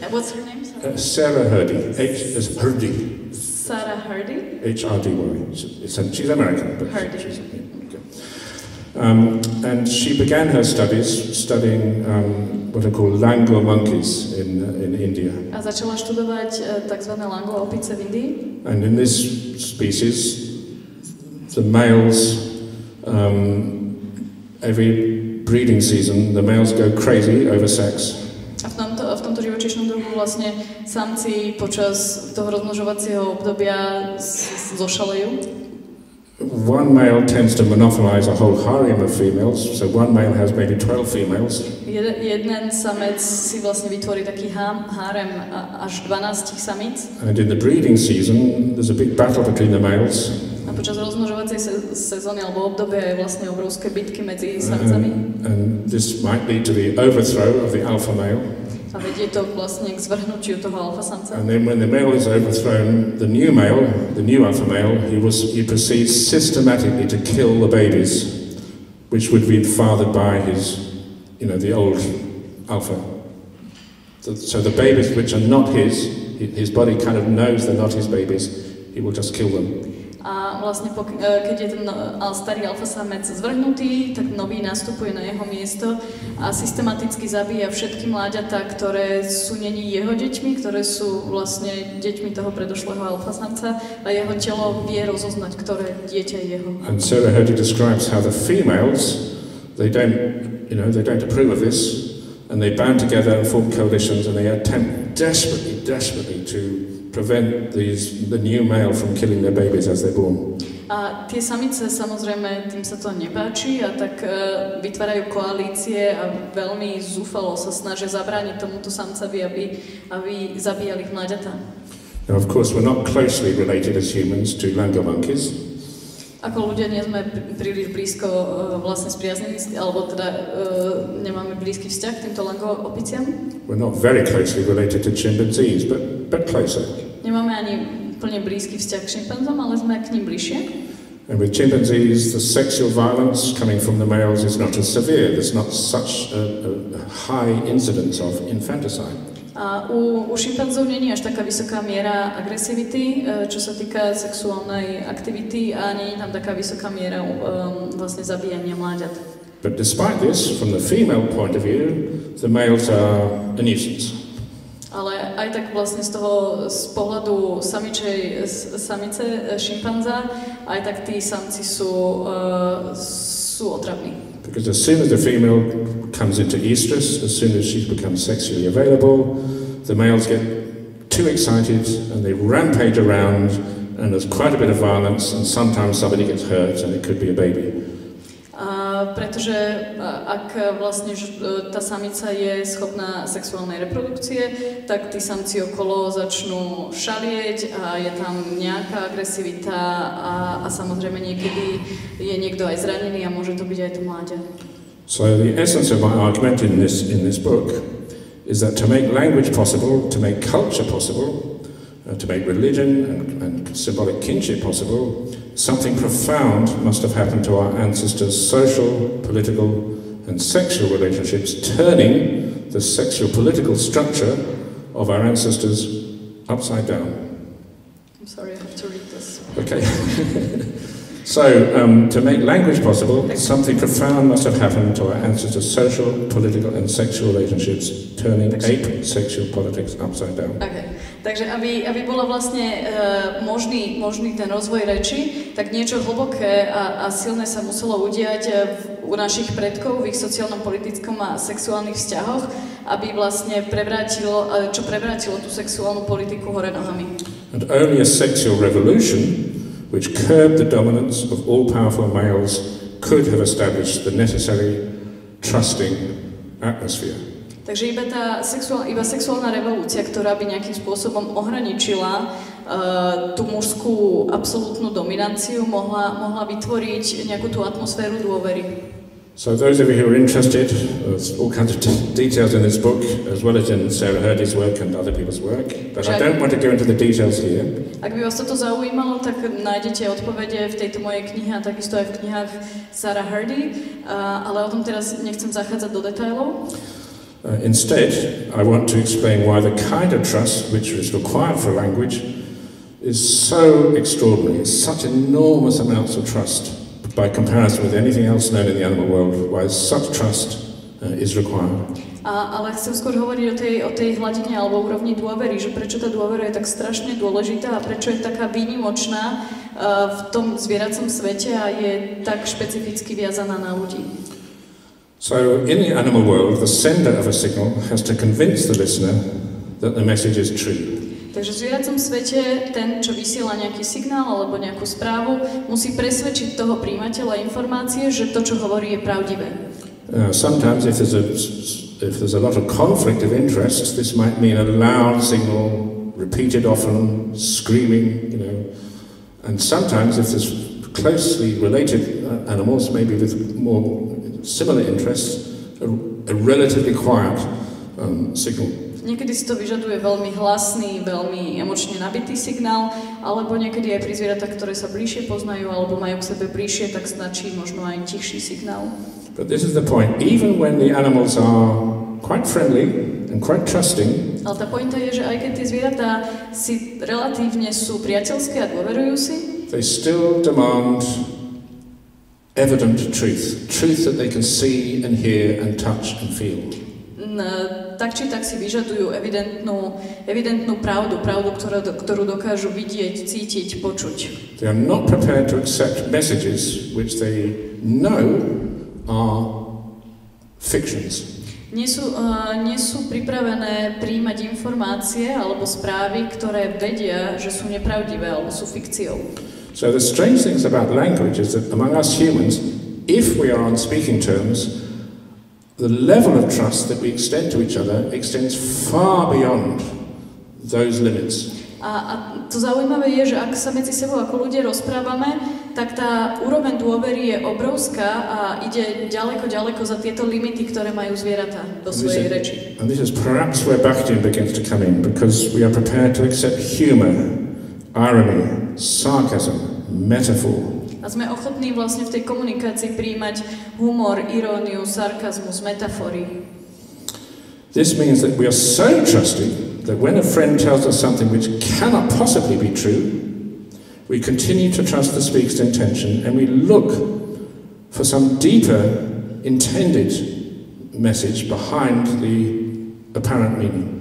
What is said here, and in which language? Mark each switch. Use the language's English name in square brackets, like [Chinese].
[English] What's her name? Sarah Hurdy, H is Hurdy. Sarah Hurdy? H-R-D-Y, she's American. But Hurdy. She's American. Okay. And she began her studying what are called langur monkeys in India. [Slovak] A začala študovať takzvané langur opice v Indii. [English] And in this species, the males, every breeding season, the males go crazy over sex. [Slovak] A v tomto živočíšnom druhu vlastne samci počas toho rozmnožovacieho obdobia zošalejú. [English] One male tends to monopolize a whole harem of females, so one male has maybe 12 females. [Slovak] Jeden samec si vlastne vytvorí taký harem až 12 samic. [English] And in the breeding season, there's a big battle between the males. [Slovak] A počas rozmnožovacej sezóny alebo obdobia je vlastne obrovské bitky medzi samcami. [English] And this might lead to the overthrow of the alpha male. [Slovak] A vedie to vlastne k zvrhnutiu toho alfa samca. [English] And then when the male is overthrown, the new alpha male, he proceeds systematically to kill the babies, which would be fathered by his, you know, the old alpha. So the babies which are not his body kind of knows they're not his babies, he will just kill them. [Slovak] A vlastne keď je ten starý alfa samec zvrhnutý, tak nový nastupuje na jeho miesto a systematicky zabíja všetky mláďatá, ktoré sú není jeho deťmi, ktoré sú vlastne deťmi toho predošlého alfa samca, a jeho telo vie rozoznať, ktoré dieťa je jeho. [English] And Sarah Hurdy describes how the females, they don't approve of this, and they band together and form coalitions, and they attempt desperately to prevent these the new male from killing their babies as they're born. [Slovak] A tie samice samozrejme tým sa to nepáči a tak vytvárajú koalície a veľmi zúfalo sa snažia zabrániť tomuto samcovi, aby zabíjali mláďatá. [English] Now of course we're not closely related as humans to lango monkeys. [Slovak] Ako ľudia nie sme príliš blízko vlastne spriaznení, alebo teda nemáme blízky vzťah k týmto lango opiciam. [English] We're not very closely related to chimpanzees, but closer. [Slovak] Nemáme ani úplne blízky vzťah k šimpanzom, ale sme k ním bližšie. [English] And with chimpanzees, the sexual violence coming from the males is not as severe. There's not such a high incidence of infanticide. [Slovak] A u šimpanzov nie je až taká vysoká miera agresivity, čo sa týka sexuálnej aktivity, a nie je tam taká vysoká miera vlastne zabíjania mláďat. [English] But despite this, from the female point of view, the males are a nuisance. [Slovak] Ale aj tak vlastne z toho, z pohľadu samice šimpanza, aj tak tí samci sú otravní. [English] Because as soon as the female comes into estrus, as soon as she becomes sexually available, the males get too excited and they rampage around and there's quite a bit of violence and sometimes somebody gets hurt and it could be a baby. [Slovak] Pretože ak vlastne tá samica je schopná sexuálnej reprodukcie, tak tí samci okolo začnú šalieť a je tam nejaká agresivita a samozrejme niekedy je niekto aj zranený a môže to byť aj to mláďa. [English] So the essence of my argument in this book is that to make language possible, to make culture possible, to make religion and symbolic kinship possible, something profound must have happened to our ancestors' social, political, and sexual relationships, turning the sexual political structure of our ancestors upside down. I'm sorry, I have to read this. Okay. So, to make language possible, something profound must have happened to our ancestors' social, political, and sexual relationships, turning ape sexual politics upside down. Okay. [Slovak] Takže aby bolo vlastne možný ten rozvoj reči, tak niečo hlboké a silné sa muselo udiať u našich predkov v ich sociálnom, politickom a sexuálnych vzťahoch, aby vlastne prevrátilo tú sexuálnu politiku hore nohami. [English] And only a sexual revolution which curbed the dominance of all powerful males could have established the necessary trusting atmosphere. [Slovak] Takže iba sexuálna revolúcia, ktorá by nejakým spôsobom ohraničila tú mužskú absolútnu dominanciu, mohla vytvoriť nejakú tú atmosféru dôvery. [English] So those of you who are interested, there's all kinds of details in this book, as well as in Sarah Hurdy's work and other people's work, but I don't want to go into the details here. [Slovak] Ak by vás toto zaujímalo, tak nájdete odpovede v tejto mojej knihe, takisto aj v knihách Sarah Hurdy, ale o tom teraz nechcem zachádzať do detailov. [English] Instead, I want to explain why the kind of trust which is required for language is so extraordinary, such enormous amounts of trust by comparison with anything else known in the animal world, why such trust is required. [Slovak] Ale chcem skôr hovoriť o tej hladine alebo úrovni dôvery, že prečo tá dôvera je tak strašne dôležitá a prečo je taká výnimočná v tom zvieracom svete a je tak špecificky viazaná na ľudí. [English] So in the animal world, the sender of a signal has to convince the listener that the message is true. [Slovak] Takže v zvieracom svete ten, čo vysiela nejaký signál alebo nejakú správu, musí presvedčiť toho príjmateľa informácie, že to, čo hovorí, je pravdivé. [English] Sometimes if there's a lot of conflict of interest, this might mean a loud signal, repeated often, screaming, you know. And sometimes if there's closely related animals, maybe with more similar interests, a relatively quiet signal. [Slovak] Niekedy si to vyžaduje veľmi hlasný, veľmi emočne nabitý signál, alebo niekedy aj pri zvieratách, ktoré sa bližšie poznajú alebo majú k sebe bližšie, tak stačí možno aj tichší signál. [English] But this is the point. Even when the animals are quite friendly and quite trusting. [Slovak] Ale tá pointa je, že aj keď tie zvieratá si relatívne sú priateľské a dôverujú si, [English] they still demand evident truth. Truth that they can see and hear and touch and feel. [Slovak] Tak či tak si vyžadujú evidentnú pravdu, ktorú dokážu vidieť, cítiť, počuť. [English] They are not prepared to accept messages which they know are fictions. [Slovak] nie sú pripravené prijímať informácie alebo správy, ktoré vedia, že sú nepravdivé alebo sú fikciou. [English] So the strange things about language is that among us humans, if we are on speaking terms, the level of trust that we extend to each other extends far beyond those limits. [Slovak] A to zaujímavé je, že ak sa medzi sebou ako ľudia rozprávame, tak tá úroveň dôvery je obrovská a ide ďaleko, ďaleko za tieto limity, ktoré majú zvieratá do svojej reči. [English] And this is perhaps where Bakhtin begins to come in, because we are prepared to accept humor, irony, sarcasm, metaphor. [Slovak] A sme ochotní vlastne v tej komunikácii prijímať humor, iróniu, sarkazmus, metafory. [English] This means that we are so trusting that when a friend tells us something which cannot possibly be true, we continue to trust the speaker's intention and we look for some deeper intended message behind the apparent meaning.